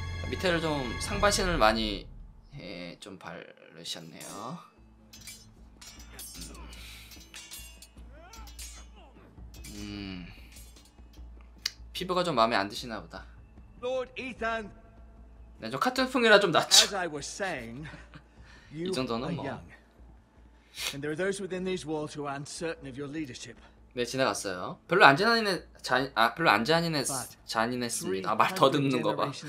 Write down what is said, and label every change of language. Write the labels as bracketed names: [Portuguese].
[Korean] 밑에를 좀 상반신을 많이, 예, 좀 바르셨네요. 피부가 좀 마음에 안 드시나 보다. 네, 좀 카툰풍이라 좀 낫죠. 이 정도는 뭐. [English] And there are those within these walls who are uncertain of your leadership. [Korean] 네, 지나갔어요. 별로 안 잔인해, 별로 안 잔인해, 잔인했습니다. 아, 말 더듬는 거 봐.